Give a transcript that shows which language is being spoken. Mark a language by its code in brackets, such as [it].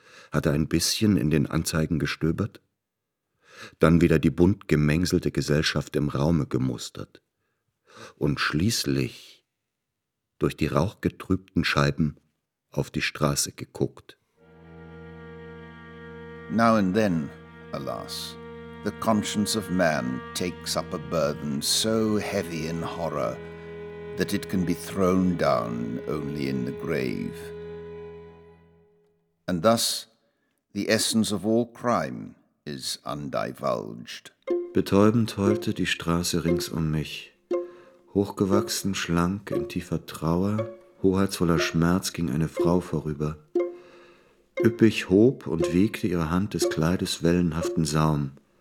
[de] Hatte ein bisschen in den Anzeigen gestöbert, dann wieder die bunt gemengselte Gesellschaft im Raume gemustert und schließlich durch die rauchgetrübten Scheiben auf die Straße geguckt. [en] Now and then, alas, the conscience of man takes up a burden so heavy in horror that it can be thrown down only in the grave. And thus the essence of all crime is undivulged. [de] Betäubend heulte die Straße rings um mich. Hochgewachsen, schlank, in tiefer Trauer, hoheitsvoller Schmerz ging eine Frau vorüber. Üppig hob und wiegte ihre Hand des Kleides wellenhaften Saum.